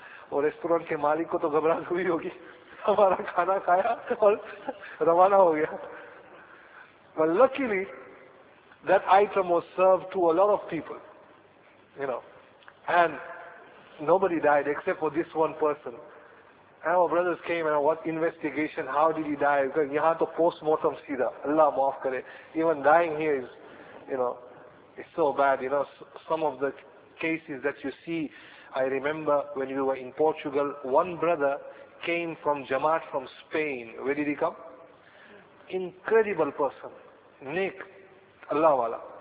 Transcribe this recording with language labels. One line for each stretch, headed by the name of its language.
Hindi: और रेस्टोरेंट के मालिक को तो घबराहट हुई होगी, हमारा खाना खाया और रवाना हो गया.
English: But luckily, that item was served to a lot of people, you know, and nobody died except for this one person. And our brothers came and what investigation? How did he die? Because
Hindi: यहाँ तो postmortem सीधा, अल्लाह माफ करे.
English: Even dying here is, you know, it's so bad. You know, some of the cases that you see. I remember when we were in Portugal, one brother came from Jamaat from Spain. Where did he come? Incredible person.
Hindi: Nek. Allah wala.